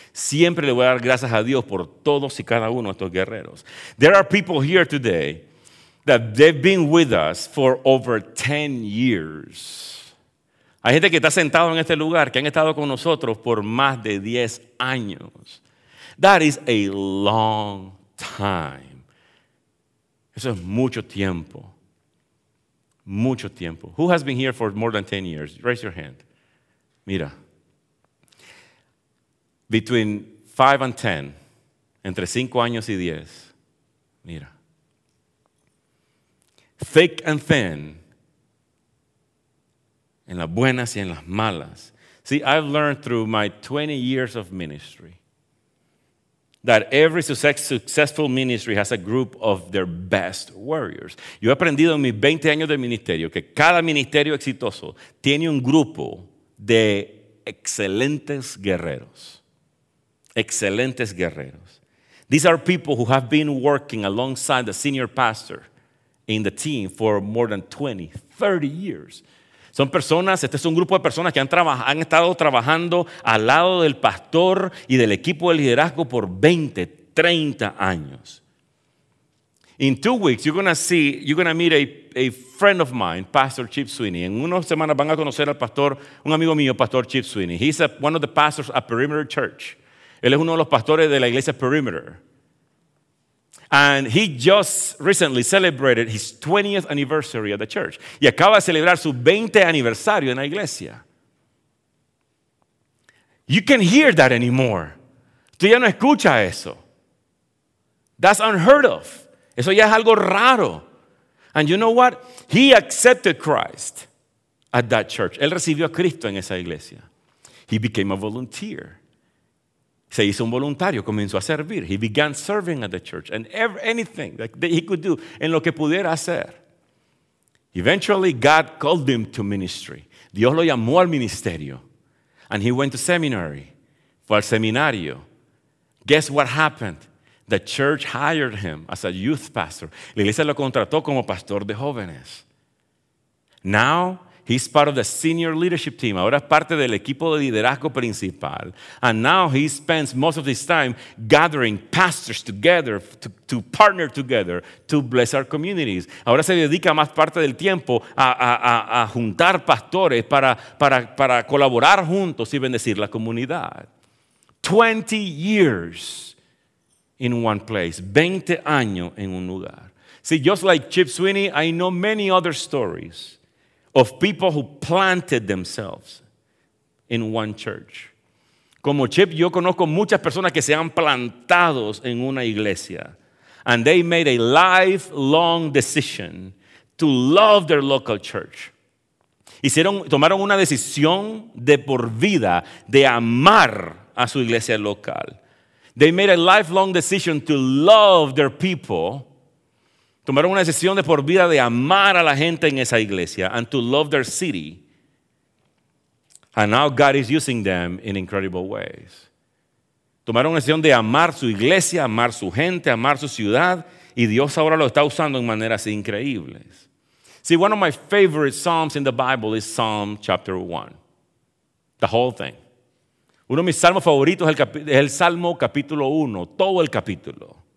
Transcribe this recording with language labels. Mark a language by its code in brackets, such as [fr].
[es] Siempre le voy a dar gracias a Dios por todos y cada uno de estos guerreros. [en] There are people here today that they've been with us for over 10 years. [es] Hay gente que está sentado en este lugar, que han estado con nosotros por más de 10 años. [en] That is a long time. [es] Eso es mucho tiempo. Mucho tiempo. [en] Who has been here for more than 10 years? Raise your hand. Mira. Between 5 and 10. [es] Entre 5 años y 10. Mira. [en] Thick and thin. [es] En las buenas y en las malas. [en] See, I've learned through my 20 years of ministry that every successful ministry has a group of their best warriors. [es] Yo he aprendido en mis 20 años de ministerio que cada ministerio exitoso tiene un grupo de excelentes guerreros. Excelentes guerreros. [en] These are people who have been working alongside the senior pastor in the team for more than 20, 30 years. [es] Son personas, este es un grupo de personas que han estado trabajando al lado del pastor y del equipo de liderazgo por 20, 30 años. [en] In 2 weeks, you're going to meet a friend of mine, Pastor Chip Sweeney. [es] En unas semanas van a conocer al pastor, un amigo mío, Pastor Chip Sweeney. [en] He's one of the pastors at Perimeter Church. [es] Él es uno de los pastores de la iglesia Perimeter. [en] And he just recently celebrated his 20th anniversary at the church. [es] Y acaba de celebrar su 20 aniversario en la iglesia. [en] You can't hear that anymore. [es] Tú ya no escuchas eso. [en] That's unheard of. [es] Eso ya es algo raro. [en] And you know what? He accepted Christ at that church. [es] Él recibió a Cristo en esa iglesia. [en] He became a volunteer. [es] Se hizo un voluntario, comenzó a servir. [en] He began serving at the church. And anything that he could do, [es] en lo que pudiera hacer. [en] Eventually, God called him to ministry. [es] Dios lo llamó al ministerio. [en] And he went to seminary. [es] Fue al seminario. [en] Guess what happened? The church hired him as a youth pastor. [es] La iglesia lo contrató como pastor de jóvenes. [en] Now, he's part of the senior leadership team. [es] Ahora es parte del equipo de liderazgo principal. [en] And now he spends most of his time gathering pastors together to partner together to bless our communities. [es] Ahora se dedica más parte del tiempo a juntar pastores para colaborar juntos y bendecir la comunidad. [en] 20 years in one place. [es] 20 años en un lugar. [en] See, just like Chip Sweeney, I know many other stories of people who planted themselves in one church. [es] Como Chip, yo conozco muchas personas que se han plantado en una iglesia. [en] And they made a lifelong decision to love their local church. [es] Tomaron una decisión de por vida de amar a su iglesia local. [en] They made a lifelong decision to love their people. [es] Tomaron una decisión de por vida de amar a la gente en esa iglesia [en] and to love their city. And now God is using them in incredible ways. [es] Tomaron una decisión de amar su iglesia, amar su gente, amar su ciudad y Dios ahora lo está usando en maneras increíbles. [en] See, one of my favorite psalms in the Bible is Psalm chapter 1. The whole thing. [es] Uno de mis salmos favoritos es el Salmo capítulo 1, todo el capítulo.